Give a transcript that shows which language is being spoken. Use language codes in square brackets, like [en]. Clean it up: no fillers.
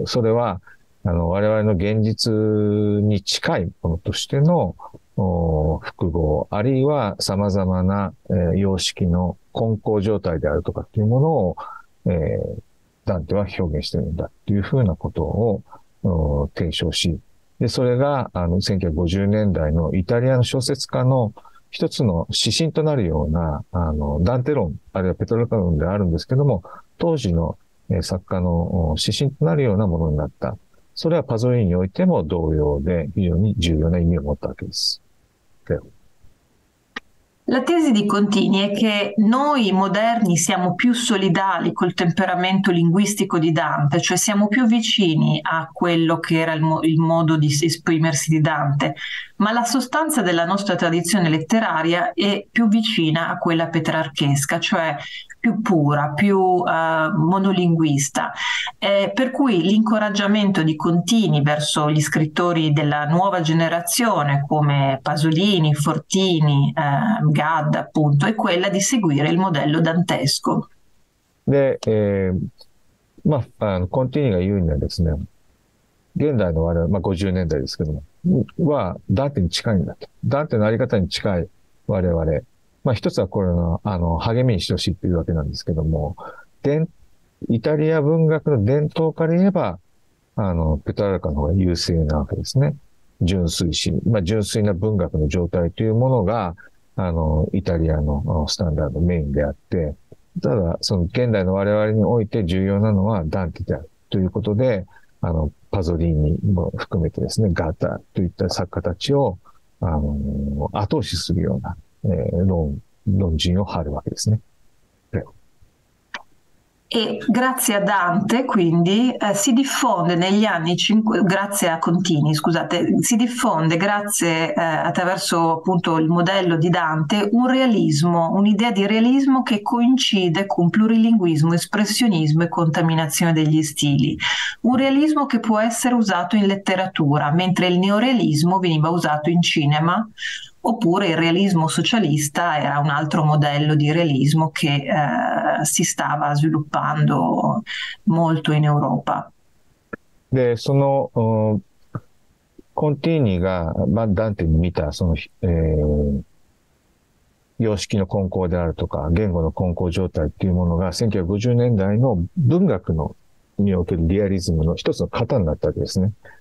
[ja] それは、我々の現実に近いものとしての複合、あるいは様々な、様式の混交状態であるとかっていうものを、ダンテは表現しているんだっていうふうなことを提唱し、で、それが、1950年代のイタリアの小説家の一つの指針となるような、ダンテ論、あるいはペトラルカ論であるんですけども、当時の、作家の指針となるようなものになった。それはパゾリーニにおいても同様で、非常に重要な意味を持ったわけです。 [it] La tesi di Contini è che noi moderni siamo più solidali col temperamento linguistico di Dante, cioè siamo più vicini a quello che era il modo di esprimersi di Dante, ma la sostanza della nostra tradizione letteraria è più vicina a quella petrarchesca, cioè più pura, più monolinguista, per cui l'incoraggiamento di Contini verso gli scrittori della nuova generazione come Pasolini, Fortini, Gad, appunto, è quella di seguire il modello dantesco. [ja] で、まあ、コンティニが言うにはですね、現代の我々、まあ50年代ですけども、は、ダンテに近いんだと。ダンテのあり方に近い我々。まあ一つはこれの、励みにしてほしいというわけなんですけども、イタリア文学の伝統から言えば、ペトラルカの方が優勢なわけですね。純粋し、まあ純粋な文学の状態というものが、イタリアのスタンダードメインであって、ただ、その現代の我々において重要なのはダンテであるということで、パゾリーニも含めてですね、ガーターといった作家たちを、後押しするような、論陣を張るわけですね。 [it] E grazie a Dante, quindi, si diffonde negli anni 5, grazie a Contini, scusate, si diffonde grazie, attraverso appunto il modello di Dante, un realismo, un'idea di realismo che coincide con plurilinguismo, espressionismo e contaminazione degli stili. Un realismo che può essere usato in letteratura, mentre il neorealismo veniva usato in cinema. Oppure il realismo socialista era un altro modello di realismo che si stava sviluppando molto in Europa. [ja] で、その、コンティーニが、まあ、ダンテに見た、その、様式の混交であるとか、言語の混交状態っていうものが、1950年代の文学のにおけるリアリズムの一つの型になったわけですね。